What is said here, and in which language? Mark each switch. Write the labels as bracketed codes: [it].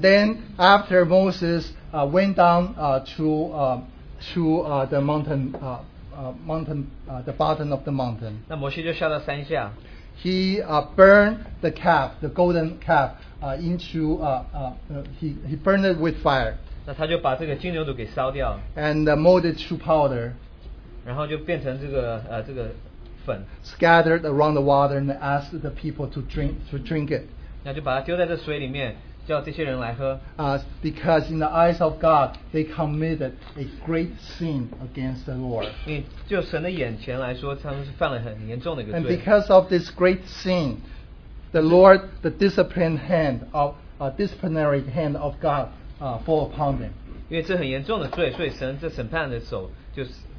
[en] then after Moses went down to the mountain the bottom of the mountain. [zh] 那摩西就下到山下。 [en] He burned the calf, the golden calf, he burned it with fire. [zh] 那他就把这个金牛犊给烧掉。And [en] molded to powder. [zh] 然后就变成这个粉 [en] scattered around the water and asked the people to drink it. [zh] 那就把它丢在这水里面，叫这些人来喝。 [en] Because in the eyes of God, they committed a great sin against the Lord. [zh] 就神的眼前来说，他们是犯了很严重的一个罪。 [en] And because of this great sin, the Lord, the disciplined hand of disciplinary hand of God, fall upon them. [zh] 因为这很严重的罪，所以神这审判的手就是。